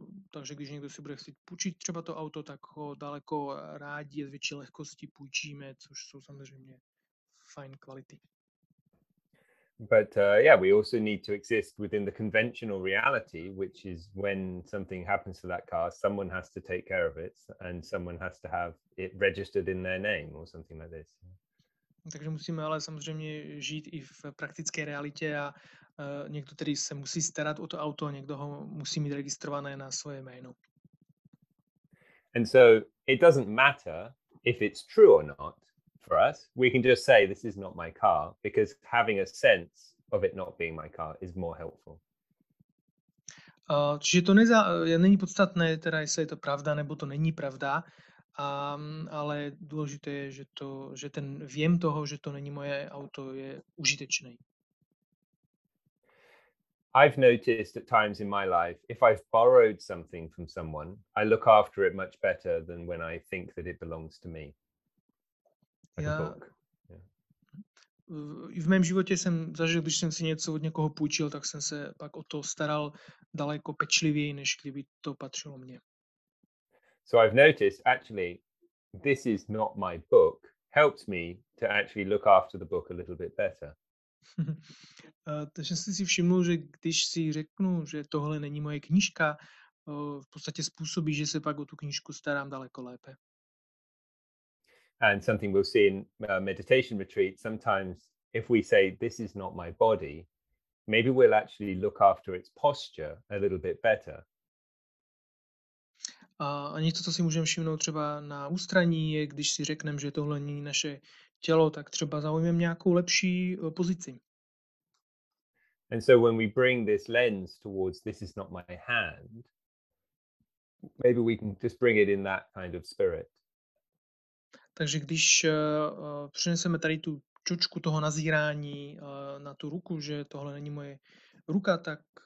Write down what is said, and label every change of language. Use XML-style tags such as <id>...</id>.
<cs>Takže když někdo si bude chtít půjčit třeba to auto, tak ho daleko rádi a z větší lehkosti půjčíme, což jsou samozřejmě fajn kvality.</cs> <en>But yeah, we also need to exist within the conventional reality, which is when something happens to that car, someone has to take care of it and someone has to have it registered in their name or something like this.</en> <cs>Takže musíme ale samozřejmě žít i v praktické realitě a někdo tedy se musí starat o to auto a někdo ho musí mít registrované na svoje jméno.</cs> <en>And so it doesn't matter if it's true or not for us. We can just say this is not my car, because having a sense of it not being my car is more helpful.</en> <cs>Čiže to není podstatné, teda jestli je to pravda nebo to není pravda. Ale důležité je, že ten vjem toho, že to není moje auto, je užitečný.</cs> <en>I've noticed at times in my life, if I've borrowed something from someone, I look after it much better than when I think that it belongs to me. Like a book.</en> <cs>Yeah. V mém životě jsem zažil, když jsem si něco od někoho půjčil, tak jsem se pak o to staral daleko pečlivěji, než kdyby to patřilo mně.</cs> <en>So I've noticed, actually, this is not my book, helps me to actually look after the book a little bit better.</en> <cs>Takže jsem si všiml, že když si řeknu, že tohle není moje knížka, v podstatě způsobí, že se pak o tu knížku starám daleko lépe.</cs> <en>And something we'll see in meditation retreat, sometimes if we say, this is not my body, maybe we'll actually look after its posture a little bit better.</en> <cs>A něco, co si můžeme všimnout třeba na ústraní, je, když si řekneme, že tohle není naše tělo, tak třeba zaujmeme nějakou lepší pozici.</cs> <en>And so when we bring this lens towards this is not my hand, maybe we can just bring it in that kind of spirit.</en> <cs>Takže když přineseme tady tu čočku toho nazírání na tu ruku, že tohle není moje ruka, tak.</cs>